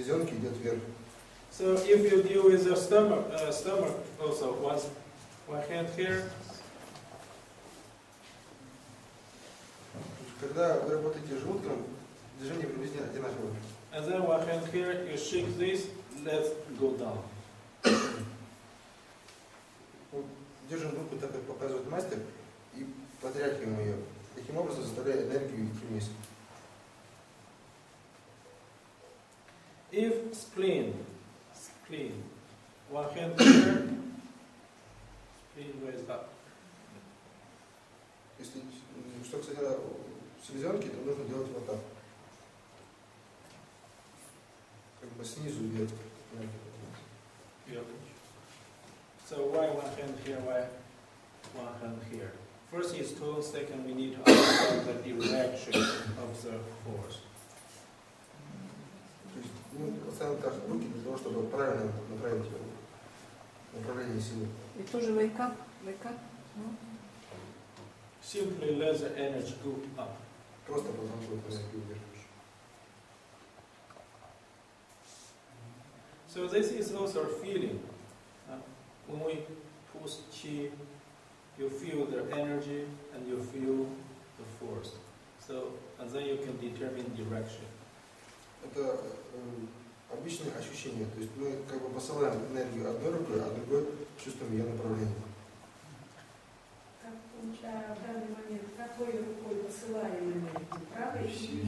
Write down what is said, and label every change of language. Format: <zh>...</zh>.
<en>So if you deal with the stomach also, one hand here.</en> <ru>Когда вы работаете желудком, движение приблизительно одинаковое.</ru> <en>And then one hand here, you shake this, let's go down.</en> <ru>Держим руку так, как показывает мастер, и потряхиваем ее. Таким образом заставляя энергию идти вниз.</ru> <en>If spleen, one hand here, spleen raised up.</en> <ru>Если что, кстати, в селезенке, то нужно делать вот так. Как бы снизу вверх.</ru> <en>Yeah. So why one hand here, why one hand here? First is tone, second we need to understand the direction of the force.</en> <ru>Мы поставим так руки для того, чтобы правильно направить его направление силы. И тоже</ru> <en>wake up. Simply let the energy go up.</en> <ru>Просто позвоночник энергию держишь.</ru> <en>So this is also a feeling. When we push chi, you feel the energy and you feel the force. So and then you can determine direction.</en> <ru>Это обычное ощущение, то есть мы как бы посылаем энергию одной рукой, а другой чувствуем ее направление. Как, в данный момент какой рукой посылаем энергию? Правой или</ru>